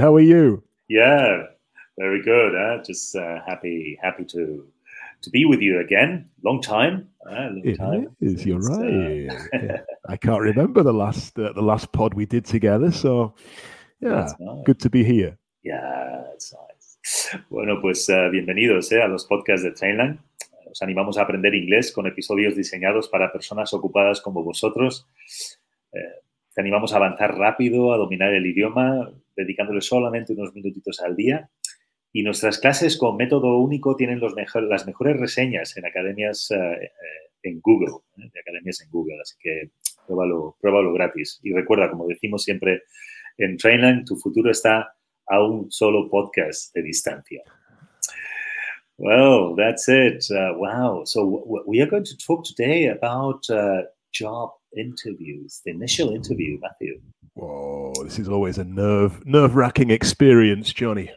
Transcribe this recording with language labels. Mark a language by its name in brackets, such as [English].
[English] How are you? Yeah, very good. Just happy to be with you again. Long time. It is. You're right. I can't remember the last pod we did together. So, yeah, nice. Good to be here. Yeah, it's nice. [Spanish] Bueno, pues bienvenidos a los podcasts de Trainline. Os animamos a aprender inglés con episodios diseñados para personas ocupadas como vosotros. Te animamos a avanzar rápido, a dominar el idioma, dedicándole solamente unos minutitos al día. Y nuestras clases con método único tienen las mejores reseñas en academias en Google, de academias en Google. Así que pruébalo gratis. Y recuerda, como decimos siempre en Trainline, tu futuro está a un solo podcast de distancia. [English] Well, that's it. Wow. So we are going to talk today about job interviews, the initial interview, Matthew. Whoa, this is always a nerve-wracking experience, Johnny.